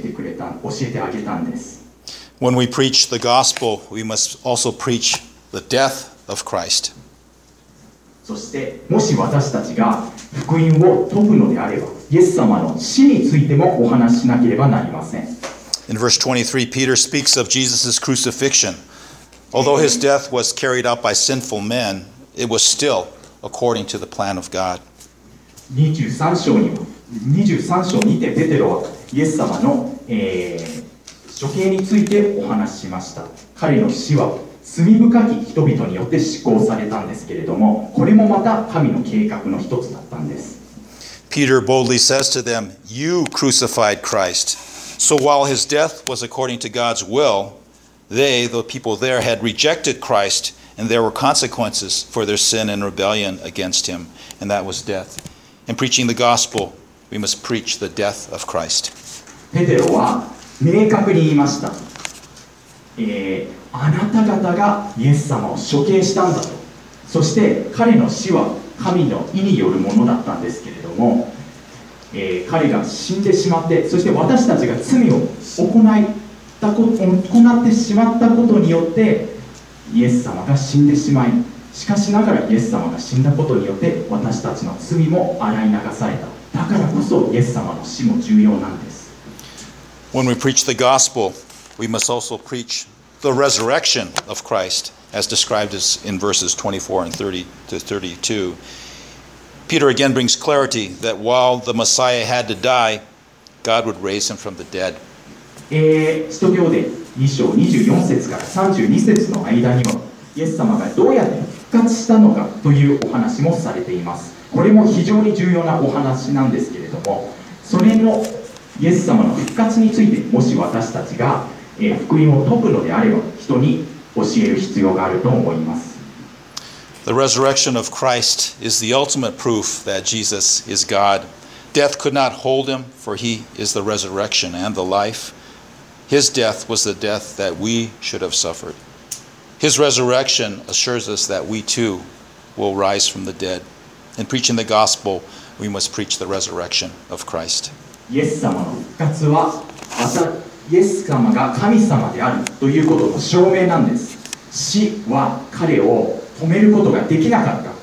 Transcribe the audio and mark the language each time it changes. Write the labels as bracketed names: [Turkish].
[English] When we preach the gospel, we must also preach the death of Christ. [Japanese] そしてもし私たちが福音を説くのであれば、イエス様の死についてもお話しなければなりません。 [English] In verse 23, Peter speaks of Jesus' crucifixion. Although his death was carried out by sinful men, it was still according to the plan of God. [Japanese] 23章にてペテロはイエス様の、処刑についてお話ししました。彼の死は罪深き人々によって執行されたんですけれども、これもまた神の計画の一つだったんです。 [English] Peter boldly says to them, "You crucified Christ." So while his death was according to God's will, they, the people there, had rejected Christ, and there were consequences for their sin and rebellion against him, and that was death. In preaching the gospel, we must preach the death of Christ. [Japanese] ペテロは明確に言いました。あなた方がイエス様を処刑したんだと。そして彼の死は神の意によるものだったんですけれども、彼が死んでしまって、そして私たちが罪を行ってしまったことによってイエス様が死んでしまい、しかしながらイエス様が死んだことによって私たちの罪も洗い流された。だからこそイエス様の死も重要なんです。 [English] When we preach the gospel, we must also preach the resurrection of Christ as described in verses 24 and 30 to 32. Peter again brings clarity that while the Messiah had to die, God would raise him from the dead. [Japanese] 使徒行伝2章24節から32節の間にもイエス様がどうやって復活したのかというお話もされています。これも非常に重要なお話なんですけれども、それのイエス様の復活について、もし私たちが福音を説くのであれば人に教える必要があると思います。 [English] The resurrection of Christ is the ultimate proof that Jesus is God. Death could not hold him, for he is the resurrection and the life. His death was the death that we should have suffered. His resurrection assures us that we too will rise from the dead. In preaching the gospel, we must preach the resurrection of Christ. [Japanese] イエス様の復活は、イエス様が神様であるということの証明なんです。死は彼を止めることができなかった。